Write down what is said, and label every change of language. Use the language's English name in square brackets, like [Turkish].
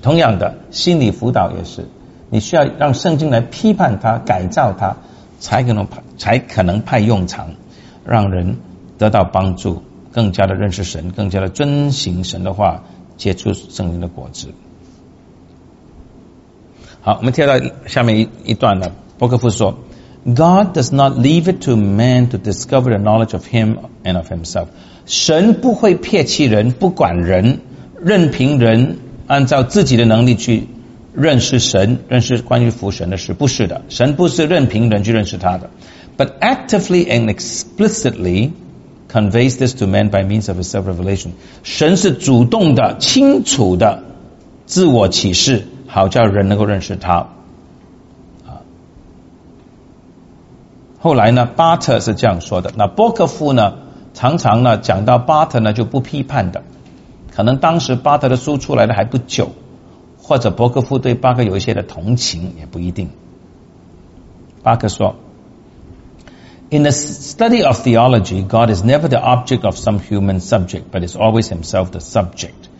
[Chinese] 同样的，心理辅导也是，你需要让圣经来批判它、改造它，才可能派用场，让人得到帮助，更加的认识神，更加的遵行神的话，结出圣灵的果子。好，我们跳到下面一段呢。伯克夫说 [English] God does not leave it to man to discover the knowledge of him and of himself. [Chinese] 神不会撇弃人，不管人，任凭人按照自己的能力去认识神，认识关于父神的事，不是的，神不是任凭人去认识他的。 [English] But actively and explicitly conveys this to man by means of his self-revelation. [Chinese] 神是主动的、清楚的自我启示，好叫人能够认识他。后来呢，巴特是这样说的。那伯克夫呢，常常呢讲到巴特呢就不批判的，可能当时巴特的书出来的还不久，或者伯克夫对巴克有一些的同情也不一定。巴克说 [English] In the study of theology, God is never the object of some human subject, but is always himself the subject.